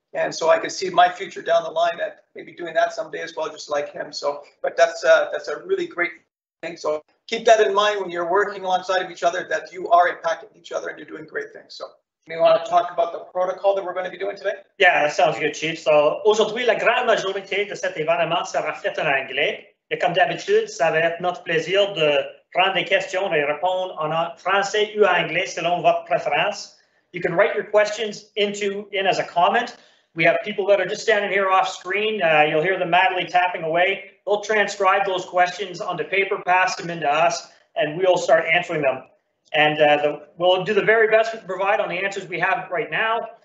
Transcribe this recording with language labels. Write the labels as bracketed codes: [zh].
[en] And so I could see my future down the line at maybe doing that someday as well, just like him. So, but that's a really great thing. So keep that in mind when you're working alongside of each other, that you are impacting each other and you're doing great things. So you want to talk about the protocol that we're going to be doing today? Yeah, that sounds good, Chief. [fr] So aujourd'hui, la grande majorité de cet événement sera fait en anglais. Et comme d'habitude, ça va être notre plaisir de prendre des questions et répondre en français ou anglais selon votre préférence. [en] You can write your questions in as a comment. We have people that are just standing here off screen. You'll hear them madly tapping away. They'll transcribe those questions onto paper, pass them into us, and we'll start answering them. And we'll do the very best we can provide on the answers we have right now.